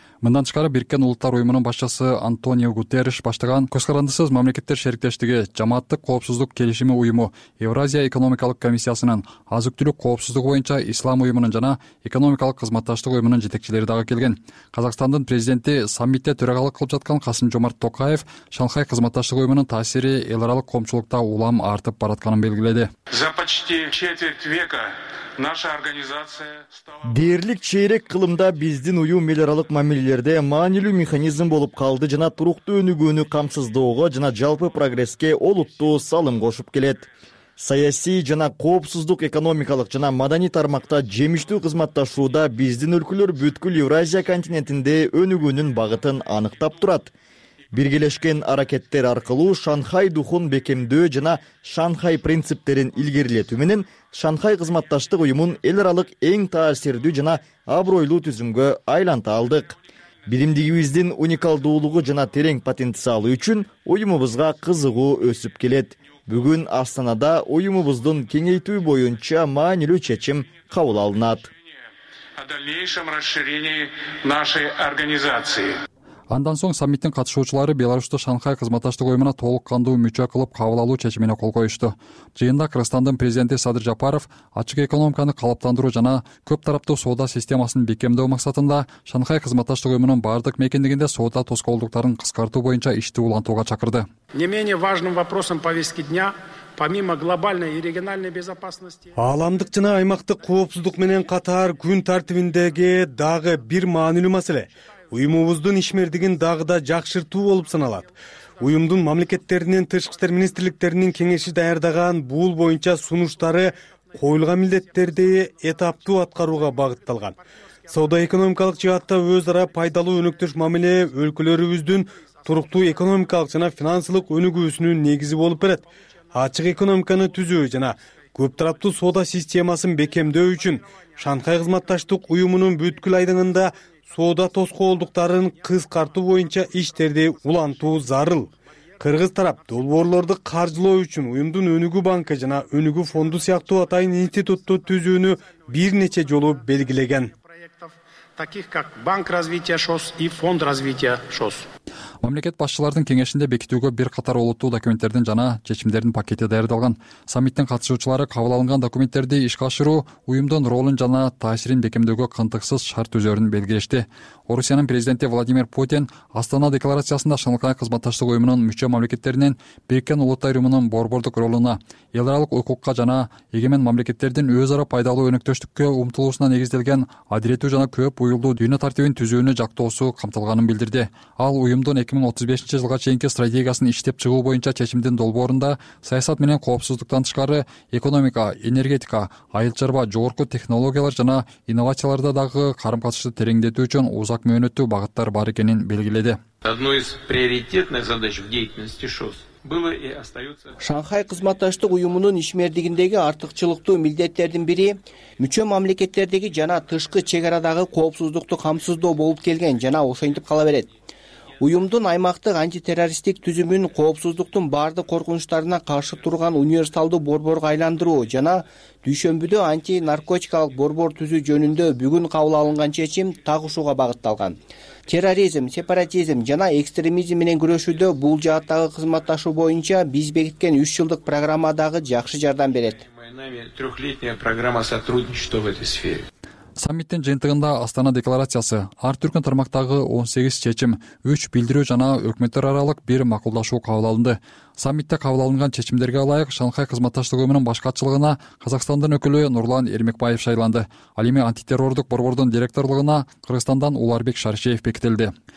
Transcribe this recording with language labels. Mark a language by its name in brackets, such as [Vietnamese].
[Kyrgyz] Мындан тышкары Бириккен Улуттар Уюмунун башчысы Антонио Гутерреш баштаган көз карандысыз мамлекеттер шериктештиги, жамааттык коопсуздук келишими уюму, Евразия экономикалык комиссиясынын азык түлүк коопсуздугу боюнча ислам уюмунун жана экономикалык кызматташтык уюмунун жетекчилери дагы келген. Казакстандын президенти саммитте төрагалык кылып жаткан Касым Жомарт Токаев Шанхай кызматташтык уюмунун таасири эл аралык коомчулукта улам артып баратканын белгиледи. [Russian] За почти четверть века наша организация стала [Kyrgyz] дээрлик чейрек кылымда биздин уюм эл аралык мамилелерде маанилүү механизм болуп калды жана туруктуу өнүгүүнү камсыздоого жана жалпы прогресске олуттуу салым кошуп келет. Саясий жана коопсуздук экономикалык жана маданий тармакта жемиштүү кызматташууда биздин өлкөлөр бүткүл Евразия континентинде өнүгүүнүн багытын аныктап турат. Биргелешкен аракеттер аркылуу Шанхай духун бекемдөө жана Шанхай принциптерин илгерилетүү менен Шанхай кызматташтык уюмун эл аралык эң таасирдүү жана абройлуу түзүмгө айланта алдык. Билимдигибиздин уникалдуулугу жана терең потенциалы үчүн уюмубузга кызыгуу өсүп келет. Бүгүн Астанада уюмубуздун кеңейтүү боюнча маанилүү чечим кабыл алынат. [Russian] О дальнейшем расширении нашей организации. [Kyrgyz] Андан соң саммиттин катышуучулары Беларусту Шанхай кызматташтык уюмуна толук кандуу мүчө кылып кабыл алуу чечимине кол коюшту. Жыйында Кыргызстандын президенти Садыр Жапаров ачык экономиканы калыптандыруу жана көп тараптуу соода системасын бекемдөө максатында Шанхай кызматташтык уюмунун бардык мекендигинде соода тоскоолдуктарын кыскартуу боюнча ишти улантууга чакырды. [Russian] Не менее важным вопросом повестки дня, помимо глобальной и региональной безопасности, [Kyrgyz] Ааламдык жана аймактык коопсуздук менен катар күн тартибиндеги дагы бир маанилүү маселе. Уюмубуздун ишмердигин дагы да жакшыртуу болуп саналат. Уюмдун мамлекеттеринин тышкы иштер министрликтеринин кеңеши даярдаган бул боюнча сунуштары коюлган милдеттерди этаптуу аткарууга багытталган. Соода экономикалык жаатта өз ара пайдалуу өнөктөш мамиле өлкөлөрүбүздүн туруктуу экономикалык жана финансылык өнүгүүсүнүн негизи болуп берет. Ачык экономиканы түзүү жана көп тараптуу соода системасын бекемдөө үчүн Шанхай кызматташтык уюмунун бүткүл айдыңында соода тоскоолдуктарын кыскартуу боюнча иштерди улантуу зарыл. Кыргыз тарап долбоорлорду каржылоо үчүн уюмдун өнүгүү банкы жана өнүгүү фонду сыяктуу атайын институтту түзүүнү бир нече жолу белгилеген. [Russian] Таких как банк развития ШОС и фонд развития ШОС. [Kyrgyz] Мамлекет башчылардын кеңешинде бекитүүгө бир катар олуттуу документтердин жана чечимдердин пакети даярдалган. Саммиттин катышуучулары кабыл алынган документтерди ишке ашыруу уюмдун ролун жана таасирин бекемдөөгө кынтыксыз шарт түзөрүн белгилешти. Орусиянын президенти Владимир Путин Астана декларациясында Шанхай кызматташтык уюмунун мүчө мамлекеттеринин Бириккен Улуттар Уюмунун борбордук ролуна, эл аралык укукка жана эгемен мамлекеттердин өз ара пайдалуу өнөктөштүккө умтулуусуна негизделген адилеттүү жана көп уюлдуу дүйнө тартибин түзүүнү жактоосу камтылганын билдирди. Ал уюмдун 2035 жылга чейинки стратегиясын иштеп чыгуу боюнча чечимдин долбоорунда саясат менен коопсуздуктан тышкары экономика, энергетика, айыл чарба, жогорку технологиялар жана инновацияларда дагы карым катышты тереңдетүү үчүн узак мөөнөттүү багыттар бар экенин белгиледи. [Russian] Одной из приоритетных задач в деятельности ШОС было и остается. [Kyrgyz] Шанхай кызматташтык уюмунун ишмердигиндеги артыкчылыктуу милдеттердин бири мүчө мамлекеттердеги жана тышкы чек арадагы коопсуздукту камсыздоо болуп келген жана ошентип кала берет. Уюмдун аймактык антитеррористтик түзүмүн коопсуздуктун бардык коркунучтарына каршы турган универсалдуу борборго айландыруу жана дүйшөмбүдө антинаркотикалык борбор түзүү жөнүндө бүгүн кабыл алынган чечим так ушуга багытталган. Терроризм, сепаратизм жана экстремизм менен күрөшүүдө бул жааттагы кызматташуу боюнча биз бекиткен 3 жылдык программа дагы жакшы жардам берет. [Russian] Трехлетняя программа сотрудничества в этой сфере. [Kyrgyz] Саммиттин жыйынтыгында Астана декларациясы, ар түркүн тармактагы 18 чечим, 3 билдирүү жана өкмөттөр аралык бир макулдашуу кабыл алынды. Саммитте кабыл алынган чечимдерге ылайык Шанхай кызматташтык уюмунун башкачылыгына Казакстандын өкүлү Нурлан Эрмекбаев шайланды. Ал эми антитеррордук борбордун директорлугуна Кыргызстандан Уларбек Шаршеев бекитилди.